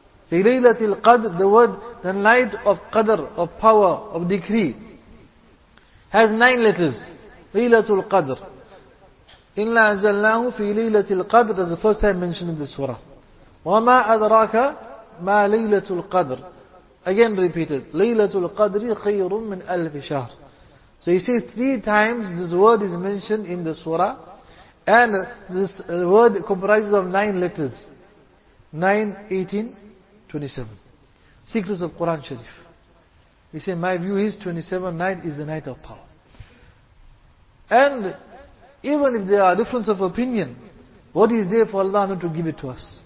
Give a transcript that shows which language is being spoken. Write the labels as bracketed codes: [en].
[en] Fi Laylatul Qadr, the word, the night of Qadr, of power, of decree, has 9 letters. Laylatul Qadr. [ar] Inna anzalnahu fi Laylatul Qadr [en] is the first time mentioned in the surah. [ar] وَمَا أَدْرَاكَ مَا لَيْلَةُ الْقَدْرِ. [en] Again repeated, [ar] لَيْلَةُ الْقَدْرِ خَيْرٌ مِنْ أَلْفِ شَهْرٍ. [en] So he says three times this word is mentioned in the surah, and this word comprises of 9 letters. 9, 18, 27. Secrets of Quran Sharif. He said, my view is 27 night is the night of power. And even if there are difference of opinion, what is there for Allah not to give it to us?